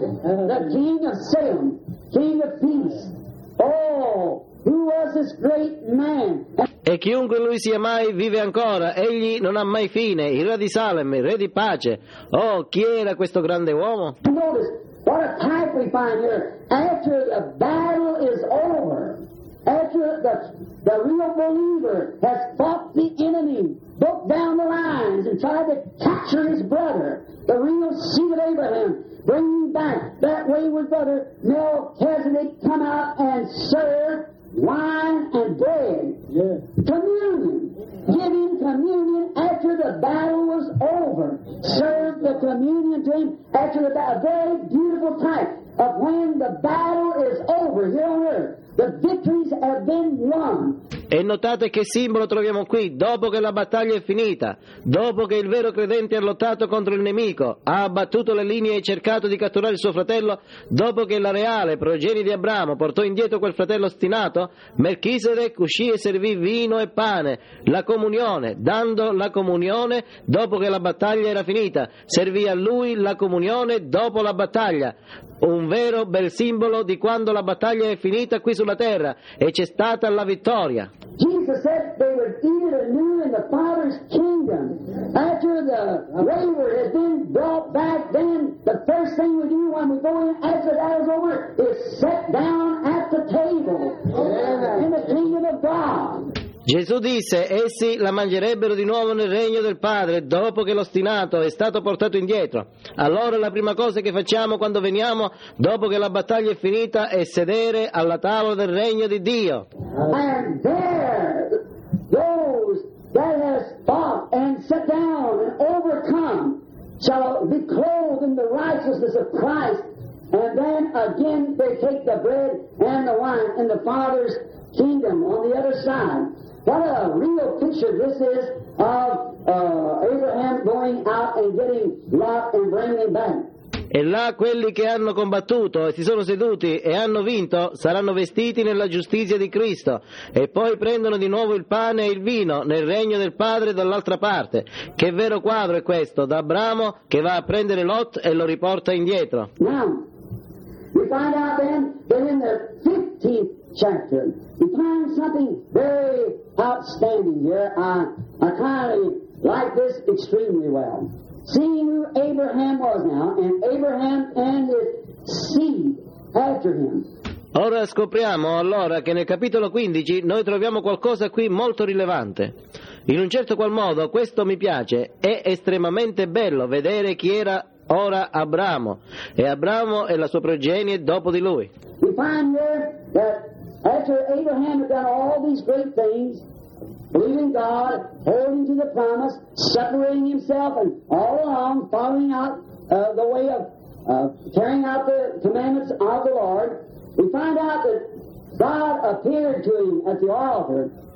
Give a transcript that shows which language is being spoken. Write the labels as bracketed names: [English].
[English] The king of Salem, king of peace. Oh, who was this great man? [Italian] E chiunque lui sia mai vive ancora, egli non ha mai fine, il re di Salem, il re di pace. Oh, chi era questo grande uomo? [English] Notice what a type we find here. After the battle is over, the real believer has fought the enemy, broke down the lines, and tried to capture his brother, the real seed of Abraham, bringing back that wayward brother, Melchizedek, come out and serve wine and bread. Yes. Communion. Giving communion after the battle was over. Serve the communion to him after the battle. A very beautiful type of when the battle is over here on earth. The victories have been won. [Italian] E notate che simbolo troviamo qui, dopo che la battaglia è finita, dopo che il vero credente ha lottato contro il nemico, ha abbattuto le linee e cercato di catturare il suo fratello, dopo che la reale progenie di Abramo portò indietro quel fratello ostinato, Melchisedec uscì e servì vino e pane, la comunione, dando la comunione dopo che la battaglia era finita, servì a lui la comunione dopo la battaglia. Un vero bel simbolo di quando la battaglia è finita qui sulla terra e c'è stata la vittoria. [English] Jesus said they would eat it anew in the Father's kingdom. After the waver has been brought back, then the first thing we do when we go in after that is over is sit down at the table in the kingdom of God. [Italian] Gesù disse, essi la mangerebbero di nuovo nel regno del Padre, dopo che l'ostinato è stato portato indietro. Allora la prima cosa che facciamo quando veniamo, dopo che la battaglia è finita, è sedere alla tavola del regno di Dio. [English] And there, those that have fought and sat down and overcome, shall be clothed in the righteousness of Christ, and then again they take the bread and the wine in the Father's kingdom on the other side. What a real picture this is of Abraham going out and getting Lot and bringing back. [Italian] E là quelli che hanno combattuto e si sono seduti e hanno vinto saranno vestiti nella giustizia di Cristo e poi prendono di nuovo il pane e il vino nel regno del Padre dall'altra parte. Che vero quadro è questo, da Abramo che va a prendere Lot e lo riporta indietro. [English] Now, we find out then that in the 15th chapter, we find something very outstanding here. I kind of like this extremely well. Seeing who Abraham was now, and Abraham and his seed after him. [Italian] Ora scopriamo allora che nel capitolo 15 noi troviamo qualcosa qui molto rilevante. In un certo qual modo, questo mi piace, è estremamente bello vedere chi era ora Abramo, e Abramo e la sua progenie dopo di lui. [English] We find here that after Abraham had done all these great things, believing God, holding to the promise, separating himself and all along, following out the way of carrying out the commandments of the Lord, we find out that God appeared to him at the altar.